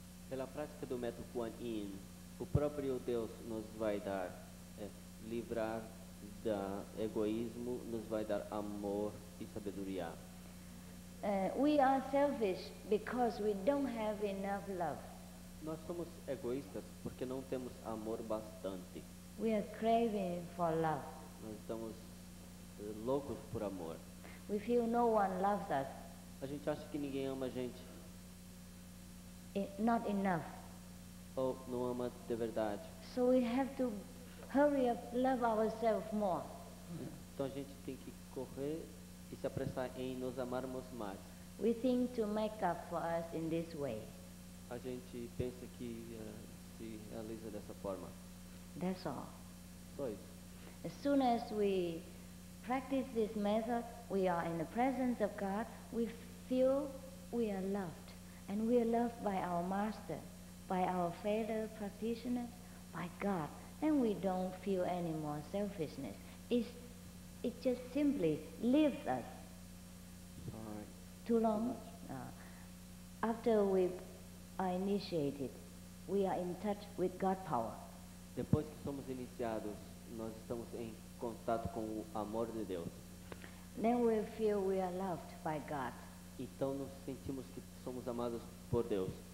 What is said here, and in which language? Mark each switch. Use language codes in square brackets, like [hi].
[pt] Pela prática do método Guan Yin, o próprio Deus nos vai dar livrar do egoísmo, nos vai dar amor e sabedoria. [en] We are selfish because we don't have enough love. [pt] Nós somos egoístas porque não temos amor bastante. [en] We are craving for love. [pt] Nós estamos loucos por amor. [en] We feel no one loves us. [pt] A gente acha que ninguém ama a gente. [en] Not enough. [pt] Ou não ama de verdade. [en] So we have to hurry up, love ourselves more. [pt] Então a gente tem que correr e se apressar em nos amarmos mais. [en] We think to make up for us in this way. [pt] A gente pensa que se realiza dessa forma. [en] That's all. [pt] Só isso. [en] As soon as we practice this method, we are in the presence of God, we feel we are loved. And we are loved by our master, by our fellow practitioner, by God. Then we don't feel any more selfishness. It just simply leaves us. Sorry. Too long. After we are initiated, we are in touch with God power. [pt] Depois que somos iniciados, nós estamos em contato com o amor de Deus. [en] Then we feel we are loved by God. [pt] Então nos sentimos que somos amados por Deus.